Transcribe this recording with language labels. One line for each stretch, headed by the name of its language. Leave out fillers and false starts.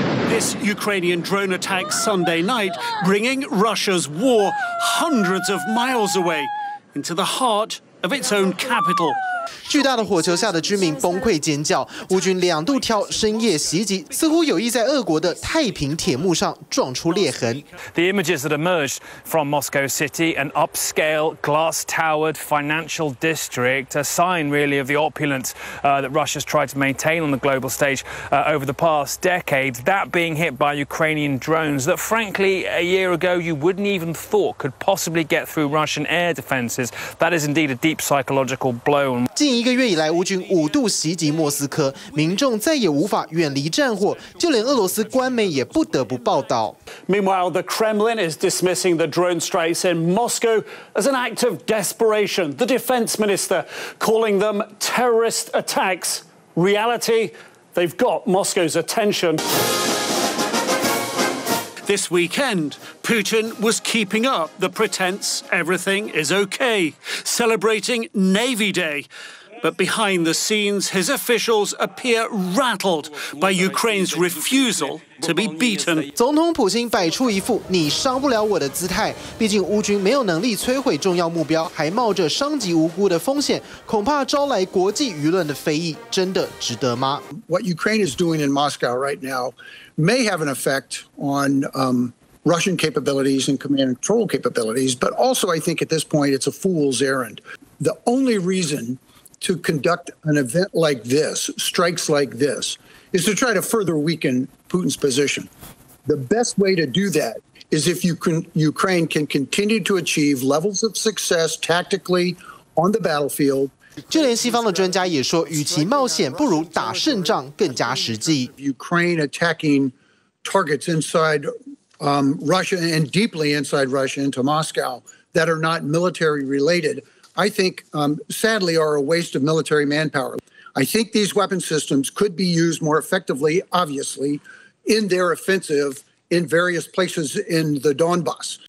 English: This Ukrainian drone attack Sunday night, bringing Russia's war hundreds of miles away into the heart of its own capital.
Chinese: 巨大的火球下的居民崩溃尖叫，乌军两度挑深夜袭击，似乎有意在俄国的太平铁幕上撞出裂痕。
English: The images that emerged from Moscow City, an upscale, glass-towered financial district, a sign really of the opulence that Russia's tried to maintain on the global stage over the past decades. That being hit by Ukrainian drones, that frankly a year ago you wouldn't even thought could possibly get through Russian air defenses. That is indeed a deep psychological blow.
Chinese: 近一个月以来，乌军五度袭击莫斯科，民众再也无法远离战火，就连俄罗斯官媒也不得不报道。
English: Meanwhile, the Kremlin is dismissing the drone strikes in Moscow as an act of desperation. The defense minister calling them terrorist attacks. Reality, they've got Moscow's attention. This weekend, Putin was keeping up the pretense everything is okay, celebrating Navy Day. But behind the scenes, his officials appear rattled by Ukraine's refusal to be beaten.
Chinese: 总统普京摆出一副你伤不了我的姿态，毕竟乌军没有能力摧毁重要目标，还冒着伤及无辜的风险，恐怕招来国际舆论的非议，真的值得吗？
English: What Ukraine is doing in Moscow right now may have an effect on Russian capabilities and command and control capabilities, but also I think at this point it's a fool's errand. The only reason. To conduct an event like this, strikes like this, is to try to further weaken Putin's position. The best way to do that is if Ukraine can continue to achieve levels of success tactically on the battlefield.
Chinese: 就连西方的专家也说，与其冒险，不如打胜仗更加实际。
English: Ukraine attacking targets inside Russia and deeply inside Russia into Moscow that are not military related. I think, sadly, are a waste of military manpower. I think these weapon systems could be used more effectively, obviously, in their offensive in various places in the Donbas.